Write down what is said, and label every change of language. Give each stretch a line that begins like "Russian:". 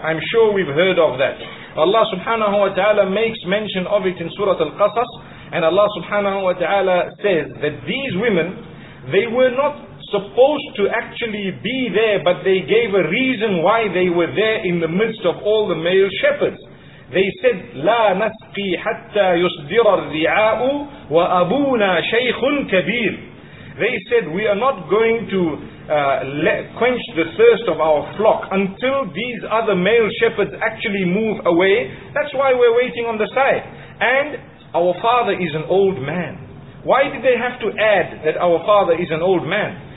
English: I'm sure we've heard of that. Allah subhanahu wa ta'ala makes mention of it in Surah Al-Qasas, and Allah subhanahu wa ta'ala says that these women, they were not supposed to actually be there, but they gave a reason why they were there in the midst of all the male shepherds. They said,
Arabic: لا نسقي حتى يصدر الرعاء وأبونا شيخ كبير.
English: They said, we are not going to quench the thirst of our flock until these other male shepherds actually move away. That's why we're waiting on the side. And our father is an old man. Why did they have to add that our father is an old man?